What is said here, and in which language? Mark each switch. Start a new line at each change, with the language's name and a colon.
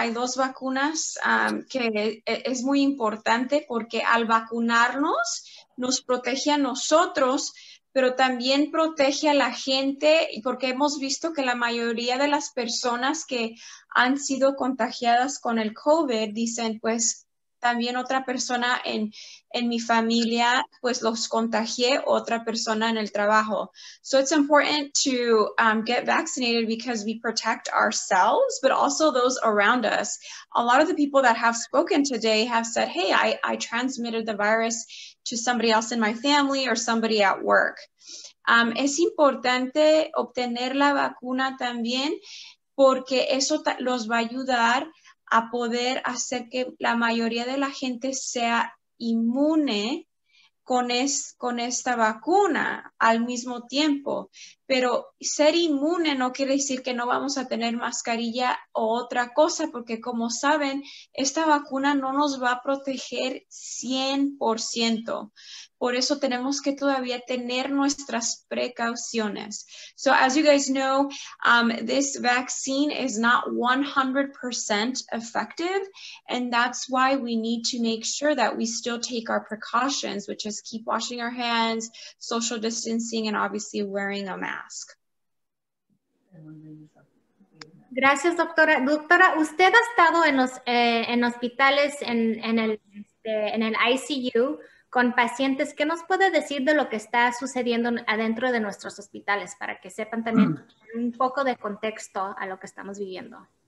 Spanish: Hay dos vacunas que es muy importante porque al vacunarnos nos protege a nosotros, pero también protege a la gente, porque hemos visto que la mayoría de las personas que han sido contagiadas con el COVID dicen, pues, también otra persona en mi familia, pues, los contagié, otra persona en el trabajo.
English: So it's important to get vaccinated because we protect ourselves, but also those around us. A lot of the people that have spoken today have said, hey, I transmitted the virus to somebody else in my family or somebody at work.
Spanish: Es importante obtener la vacuna también porque eso los va a ayudar a poder hacer que la mayoría de la gente sea inmune con esta vacuna al mismo tiempo. Pero ser inmune no quiere decir que no vamos a tener mascarilla o otra cosa, porque como saben, esta vacuna no nos va a proteger 100%. Por eso tenemos que todavía tener nuestras precauciones.
English: So as you guys know, this vaccine is not 100% effective, and that's why we need to make sure that we still take our precautions, which is keep washing our hands, social distancing, and obviously wearing a mask.
Spanish: Gracias, doctora. Doctora, usted ha estado en los en hospitales en el ICU con pacientes. ¿Qué nos puede decir de lo que está sucediendo adentro de nuestros hospitales para que sepan también un poco de contexto a lo que estamos viviendo?